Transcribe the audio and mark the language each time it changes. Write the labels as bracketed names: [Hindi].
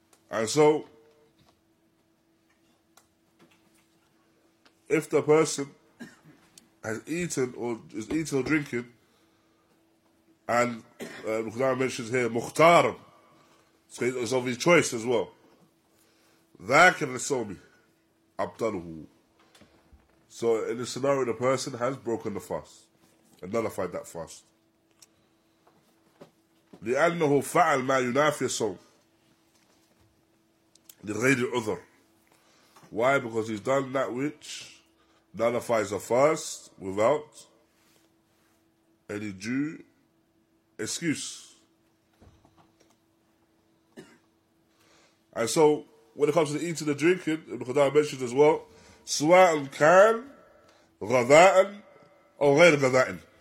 [English] And so, if the person has eaten or is eating or drinking, and Nukhdar mentions here, Mukhtar, so it's of his choice as well. Dhakir al-Sawmi, Abdaluhu. So in this scenario, the person has broken the fast and nullified that fast. [Arabic] لأنه فعل ما ينافي الصوم لغير عذر. [English] Why? Because he's done that which nullifies a fast without any due excuse. And so, when it comes to the eating and drinking, Ibn Qudamah mentioned as well, [Arabic] سواءً كان غذاءً أو غير غذاءً.